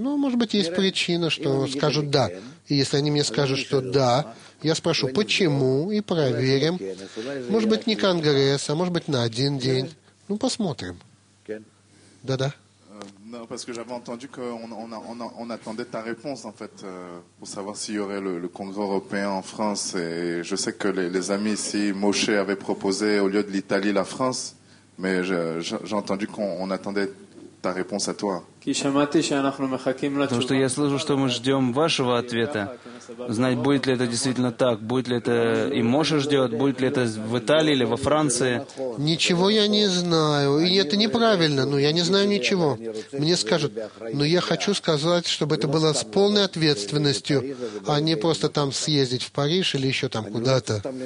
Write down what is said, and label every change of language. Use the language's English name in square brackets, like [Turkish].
[Russian] Ну, может быть, есть причина, что скажут «да». И если они мне скажут, что «да», я спрошу, почему, и проверим. Может быть, не конгресс, а может быть, на один день. Ну, посмотрим. Да-да. [French] Non, parce que j'avais entendu qu'on attendait ta réponse, en fait, pour savoir s'il y aurait le congrès européen en France. Et je sais que les amis ici, Moshe, avaient proposé, au lieu de l'Italie, la France. Mais j'ai entendu qu'on attendait ta réponse à toi. [Russian] Потому что я слышал, что мы ждем вашего ответа. Знать, будет ли это действительно так, будет ли это и Моша ждет, будет ли это в Италии или во Франции. Ничего я не знаю. И это неправильно, но я не знаю ничего. Мне скажут, но я хочу сказать, чтобы это было с полной ответственностью, а не просто там съездить в Париж или еще там куда-то.